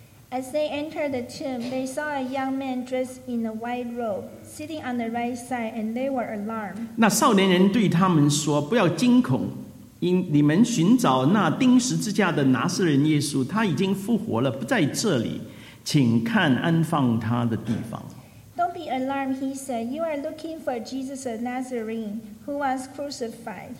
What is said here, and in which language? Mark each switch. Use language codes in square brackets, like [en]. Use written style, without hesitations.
[en] As they entered the tomb, they saw a young man dressed in a white robe, sitting on the right side, and they were alarmed. [zh] 那少年人对他们说，不要惊恐，因你们寻找那钉十字架的拿撒勒耶稣，他已经复活了，不在这里，请看安放他的地方。 [en] Don't be alarmed, he said. You are looking for Jesus of Nazarene, who was crucified.